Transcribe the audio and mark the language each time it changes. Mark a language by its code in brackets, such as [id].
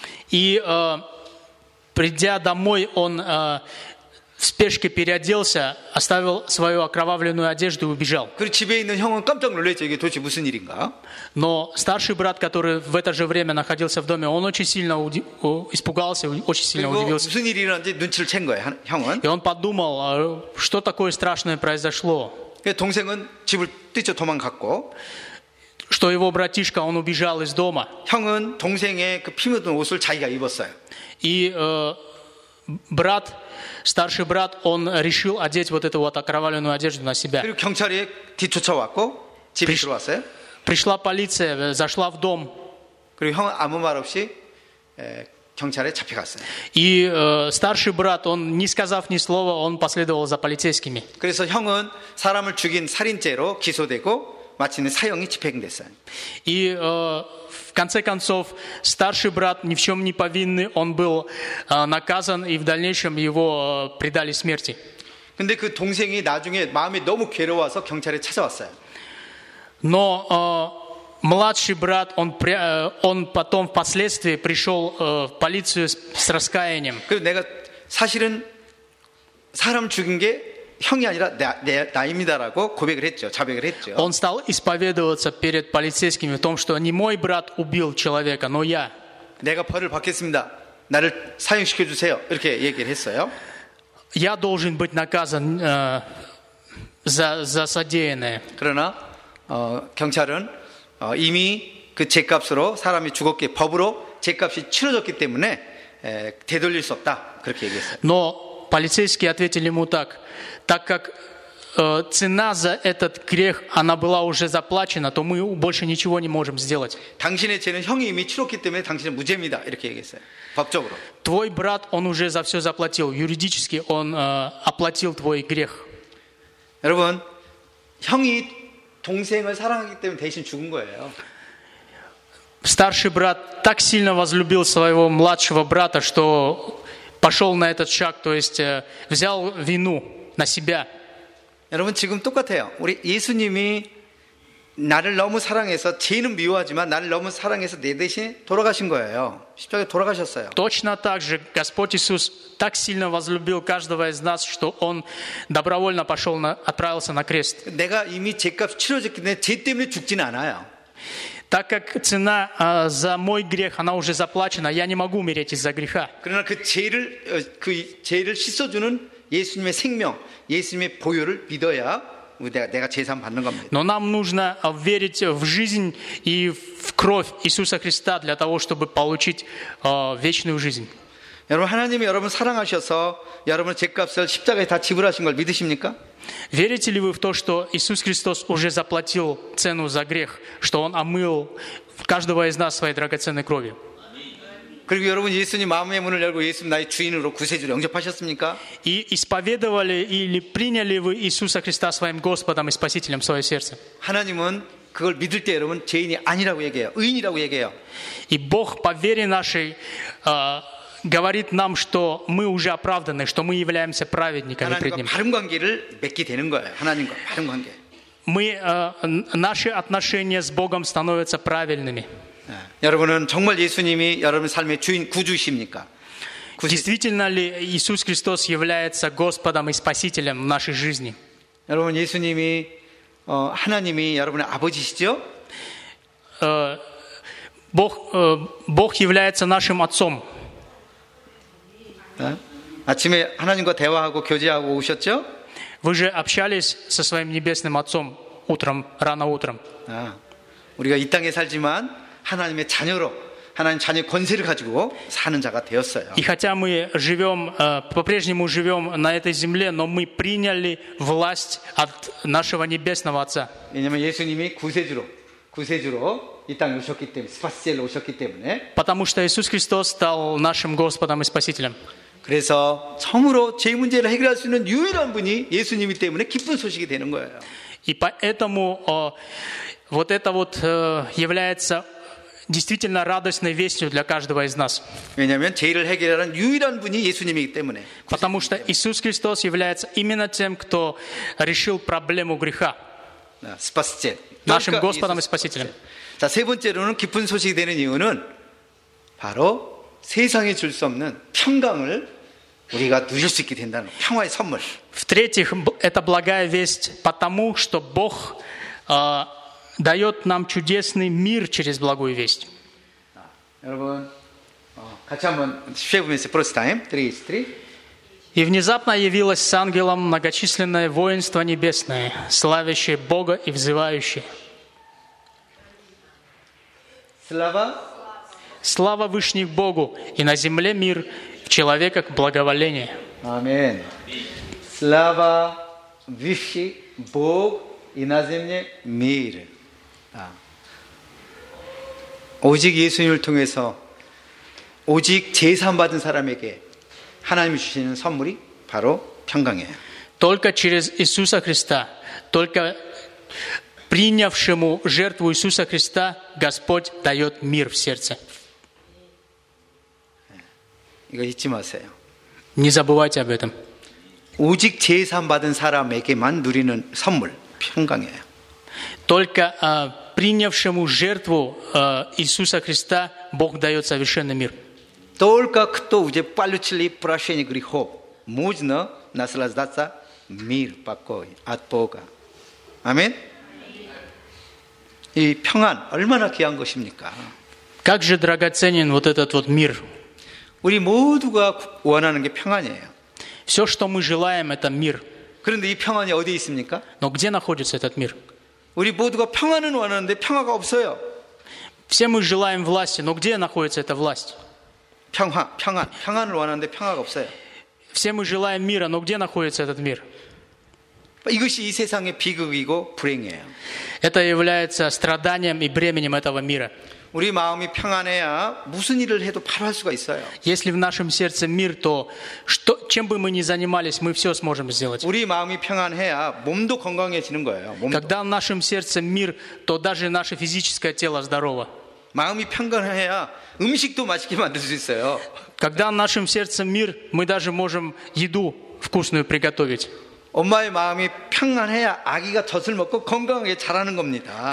[ru] И придя домой, он в спешке переоделся, оставил свою окровавленную одежду и убежал. [ko] 그리고 집에 있는 형은 깜짝 놀랐죠. 이게 도대체 무슨 일인가? [ru] Но старший брат, который в это же время находился в доме, он очень сильно испугался, очень сильно удивился. [ko] 무슨 일이 일어난지 눈치를 챈 거예요, 형은. [ru] И он подумал, что такое страшное произошло. [ko] 동생은 집을 뛰쳐 도망갔고 [ru] что его братишка, он убежал из дома. [ko] 형은 동생의 그 피 묻은 옷을 자기가 입었어요. [ru] И брат, старший брат, он решил одеть вот эту вот окровавленную одежду на себя. [ko] 그리고 경찰이 뒤쫓아왔고 집에 들어왔어요. [ru] Пришла полиция, зашла в дом. [ko] 그리고 형은 아무 말 없이 경찰에 잡혀갔어요. [ru] И старший брат, он не сказав ни слова, он последовал за полицейскими. [ko] 그래서 형은 사람을 죽인 살인죄로 기소되고 마치는 사형이 집행됐어요. [ru] И в конце концов старший брат ни в чем не повинный, он был наказан и в дальнейшем его предали смерти. [ko] 근데 그 동생이 나중에 마음이 너무 괴로워서 경찰에 찾아왔어요. [ru] Но младший брат, он потом впоследствии пришел в полицию с раскаянием. [ko] 그리고 내가 사실은 사람 죽인 게 형이 아니라 내 나입니다라고 고백을 했죠. 자백을 했죠. [ru] Он стал исповедоваться перед полицейскими в том, что не мой брат убил человека, но я. [ko] 내가 벌을 받겠습니다. 나를 사형시켜 주세요. 이렇게 얘기를 했어요. [ru] Я должен быть наказан за содеянное. [ko] 그러나 경찰은 이미 그 죄값으로 사람이 죽었기에 법으로 죄값이 치러졌기 때문에 되돌릴 수 없다 그렇게 얘기했어요. [ru] Но полицейские ответили ему так: так как цена за этот грех она была уже заплачена, то мы больше ничего не можем сделать. [ko] 당신의 죄는 형이 이미 치렀기 때문에 당신은 무죄입니다 이렇게 얘기했어요. 법적으로. [ru] Твой брат он уже за все заплатил. Юридически он оплатил твой грех. [ko] 여러분, 형이 동생을 사랑하기 때문에 대신 죽은 거예요. [ru] Старший брат так сильно возлюбил своего младшего брата, что пошел на этот шаг, то есть взял вину на себя. [ko] 여러분 지금 똑같아요. 우리 예수님이 나를 너무 사랑해서 죄는 미워하지만 나를 너무 사랑해서 내 대신 돌아가신 거예요. 십자가에 돌아가셨어요. [ru] Точно так же Господь Иисус так сильно возлюбил каждого из нас, что он добровольно пошел на отправился на крест. [ko] 내가 이미 죄값 치러졌기 때문에 죄 때문에 죽지는 않아요. [ru] Так как цена за мой грех она уже заплачена, я не могу умереть из-за греха. [ko] 그러나 그 죄를 씻어주는 예수님의 생명, 예수님의 보혈을 믿어야 내가 재산 받는 겁니다. [ru] Но нам нужно верить в жизнь и в кровь Иисуса Христа для того, чтобы получить вечную жизнь. [ko] 여러분 하나님이 여러분 사랑하셔서 여러분의 죄값을 십자가에 다 지불하신 걸 믿으십니까? [ru] Верите ли вы в то, что Иисус Христос уже заплатил цену за грех, что Он омыл каждого из нас своей драгоценной кровью? [ko] 그리고 여러분 예수님 마음의 문을 열고 예수님 나의 주인으로 구세주로 영접하셨습니까? [ru] И исповедовали или приняли вы Иисуса Христа своим Господом и Спасителем в свое сердце? [ko] 하나님은 그걸 믿을 때 여러분 죄인이 아니라고 얘기해요. 의인이라고 얘기해요. [ru] И Бог по вере нашей говорит нам, что мы уже оправданы, что мы являемся праведниками пред Ним. [ko] 바른 관계를 맺게 되는 거예요. 하나님과 바른 관계. [ru] Мы наши отношения с Богом становятся правильными. [ko] 여러분은 정말 예수님이 여러분 삶의 주인 구주십니까? [ru] Действительно ли Иисус Христос является Господом и Спасителем в нашей жизни? [ko] 여러분 예수님이 하나님이 여러분의 아버지시죠? [ru] Бог является нашим отцом. [ko] 아침에 하나님과 대화하고 교제하고 오셨죠? [ru] Вы же общались со своим небесным отцом утром, рано утром. [ko] 우리가 이 땅에 살지만 하나님의 자녀로 하나님 자녀의 권세를 가지고 사는 자가 되었어요. [ru] И хотя мы живем, по-прежнему живем на этой земле, но мы приняли власть от нашего небесного Отца. [ko] 왜냐하면 예수님이 구세주로 이 땅에 오셨기 때문에, 스파시엘로 오셨기 때문에. [ru] Потому что Иисус Христос стал нашим Господом и Спасителем. [ko] 그래서 처음으로 죄 문제를 해결할 수 있는 유일한 분이 예수님이 때문에 기쁜 소식이 되는 거예요. [ru] И поэтому вот это вот является действительно радостной вестью для каждого из нас. [ko] 왜냐하면 죄를 해결하는 유일한 분이 예수님이기 때문에. [ru] Потому что Иисус Христос является именно тем, кто решил проблему греха. 스파시엘. Нашим Господом и Спасителем. [ko] 자, 세 번째로는 기쁜 소식이 되는 이유는 바로 세상에 줄 수 없는 평강을 우리가 누릴 수 있게 된다는 평화의 선물. [ru] В-третьих, это благая весть, потому что Бог дает нам чудесный мир через благую весть. [ko] 여러분, 같이 한번 쉐브메스 프로스타임 3:3. [ru] И внезапно явилось с ангелом многочисленное воинство небесное, славящее Бога и взывающее. Слава. Слава Вышних Богу, и на земле мир, человека к благоволению. Аминь. Слава Вышний Бог, и на земле мир. Да. [ko] 오직 예수님을 통해서 오직 제사함 받은 사람에게 하나님이 주시는 선물이 바로 평강이에요. [ru] Только через Иисуса Христа, только принявшему жертву Иисуса Христа, Господь дает мир в сердце. [ko] 이거 잊지 마세요. [ru] Не забывайте об этом. [ko] 오직 제사함 받은 사람에게만 누리는 선물, 평강이에요. [ru] Только принявшему жертву Иисуса Христа Бог дает совершенный мир. Только кто уже получил прощение грехов, можно наслаждаться мир, покой от Бога. Аминь. [ko] И 평안, 얼마나 귀한 것입니까? [ru] Как же драгоценен вот этот вот мир. [ko] 우리 모두가 원하는 게 평안이에요. [ru] Все, что мы желаем, это мир. [ko] 그런데 이 평안이 어디 있습니까? [ru] Но где находится этот мир? [ko] 우리 모두가 평안은 원하는데 평화가 없어요. [ru] Все мы желаем власти, но где находится эта власть? [ko] 평화, 평안, 평안을 원하는데 평화가 없어요. [ru] Все мы желаем мира, но где находится этот мир? [ko] 이것이 이 세상의 비극이고 불행이에요. [ru] Это является страданием и бременем этого мира. [ko] 우리 마음이 평안해야 무슨 일을 해도 바로 할 수가 있어요. [ru] Если в нашем сердце мир, то что, чем бы мы ни занимались, мы все сможем сделать. [ko] 우리 마음이 평안해야 몸도 건강해지는 거예요. 몸도. [ru] Когда в нашем сердце мир, то даже наше физическое тело здорово. [ko] 마음이 평안해야 음식도 맛있게 만들 수 있어요. [ru] Когда в нашем сердце мир, мы даже можем еду вкусную приготовить. [ko] 엄마의 마음이 평안해야 아기가 젖을 먹고 건강하게 자라는 겁니다.